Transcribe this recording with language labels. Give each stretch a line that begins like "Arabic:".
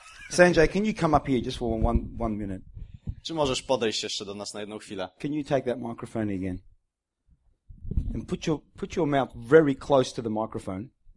English: Sanjay, can you come up here just for one minute?
Polish: Czy możesz podejść jeszcze do nas na jedną chwilę?
English: Can you take that microphone again? And put your mouth very close to the microphone.